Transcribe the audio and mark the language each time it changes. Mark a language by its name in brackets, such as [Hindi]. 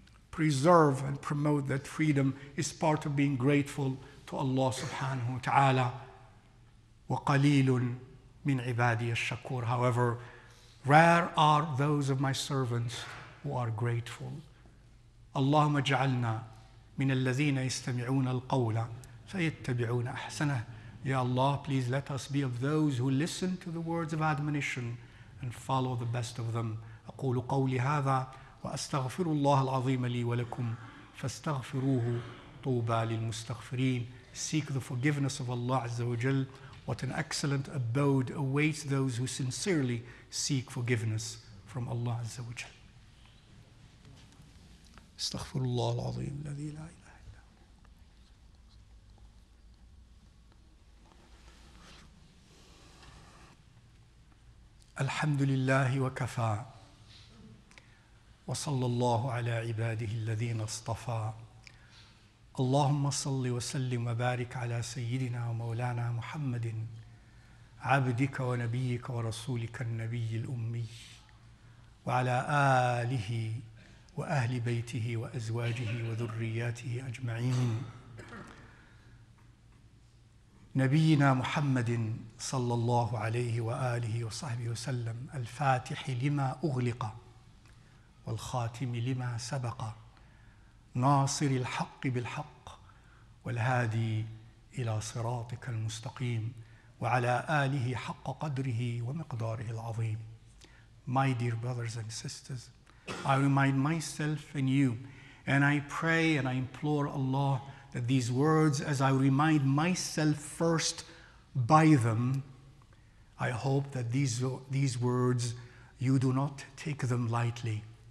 [English] Preserve and promote that freedom is part of being grateful to Allah subhanahu wa ta'ala. [Arabic] وَقَلِيلٌ مِنْ عِبَادِيَ الشَّكُورِ. [English] However, rare are those of my servants who are grateful. [Arabic] اللهم اجعلنا من الذين يستمعون القول فيتبعون أحسنه. [English] Ya Allah, please let us be of those who listen to the words of admonition and follow the best of them. [Arabic] أقول قولي هذا وأستغفر الله العظيم لي ولكم فاستغفروه طوبى للمستغفرين. [English] Seek the forgiveness of Allah Azza wa Jal. What an excellent abode awaits those who sincerely seek forgiveness from Allah Azza wa Jal. [Arabic] استغفر الله العظيم الذي لا إله إلا هو. الحمد لله وكفى وصلى الله على عباده الذين اصطفى. اللهم صل وسلم وبارك على سيدنا ومولانا محمد عبدك ونبيك ورسولك النبي الأمي وعلى آله وأهل بيته وأزواجه وذرياته أجمعين. نبينا محمد صلى الله عليه وآله وصحبه وسلم الفاتح لما أغلق والخاتم لما سبق ناصر الحق بالحق والهادي إلى صراطك المستقيم وعلى آله حق قدره ومقداره العظيم. [English] My dear brothers and sisters, I remind myself and you, and I pray and I implore Allah that these words, as I remind myself first by them, I hope that these words, you do not take them lightly.